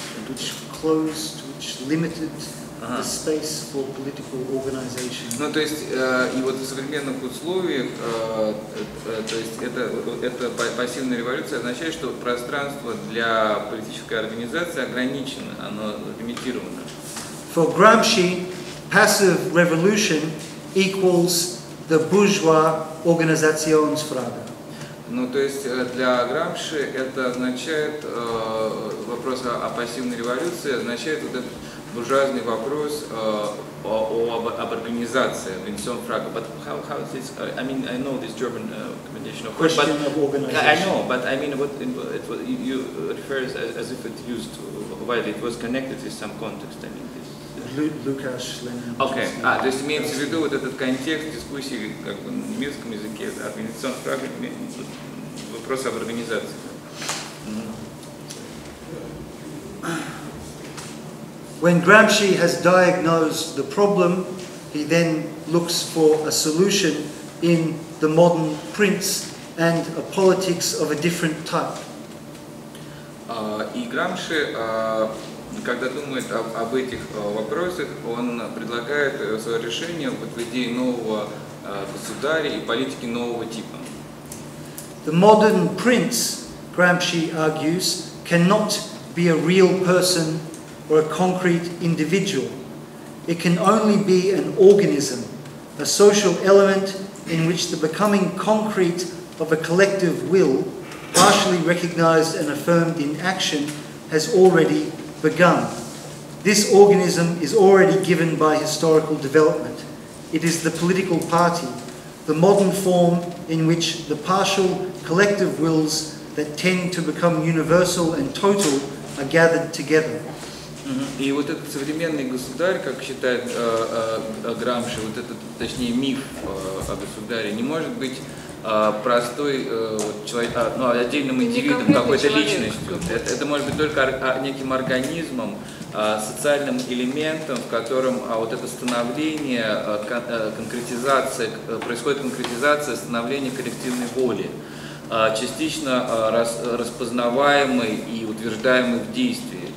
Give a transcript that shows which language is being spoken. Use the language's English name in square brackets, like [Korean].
[English] Which closed, which limited the space for political organization. [Russian] Ну, то есть, и вот в современных условиях, то есть, это пассивная революция означает, что пространство для политической организации ограничено, оно лимитировано. [English] For Gramsci, passive revolution equals the bourgeois organisationsfrage. [Russian] Ну, то есть для Грамши это означает вопрос о пассивной революции, означает вот этот буржуазный вопрос об организации, организационном фраге. [English] But how is this? I mean, I know this German combination of words. Question of organization. I know, but I mean, you refer as if it used while it was connected with some context. I mean, this. [Russian] Лукаш, Ленин. Окей. То есть имеется в виду вот этот контекст дискуссии как бы, на немецком языке, организационных фраге, вопрос об организации. [English] When Gramsci has diagnosed the problem, he then looks for a solution in the modern prints and a politics of a different type. [Russian] И Грамши, когда думает об этих вопросах, он предлагает свое решение вот в идее нового государя и политики нового типа. [English] The modern prince, Gramsci argues, cannot be a real person or a concrete individual. It can only be an organism, a social element in which the becoming concrete of a collective will, partially recognized and affirmed in action, has already begun. This organism is already given by historical development. It is the political party, the modern form in which the partial collective wills that tend to become universal and total are gathered together. [Russian] И вот этот современный государь, как считает Грамши, вот этот, точнее, миф о государе, не может быть простой отдельным индивидом, какой-то личностью. Это может быть только неким организмом, социальным элементом, в котором вот это становление, конкретизация, происходит конкретизация становления коллективной воли, частично распознаваемой и утверждаемой в действии.